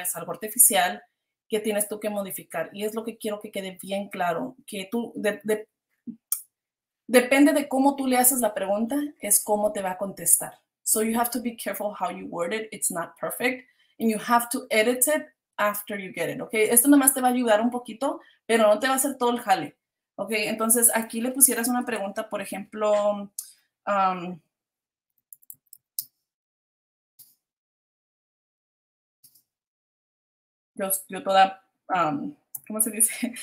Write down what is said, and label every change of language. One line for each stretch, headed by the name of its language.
Spanish: Es algo artificial que tienes tú que modificar. Y es lo que quiero que quede bien claro, que tú, depende de cómo tú le haces la pregunta, es cómo te va a contestar.
English: So you have to be careful how you word it. It's not perfect. And you have to edit it after you get it, ¿ok?
Spanish: Esto nada más te va a ayudar un poquito, pero no te va a hacer todo el jale, ¿ok? Entonces, aquí le pusieras una pregunta, por ejemplo, yo toda, ¿cómo se dice?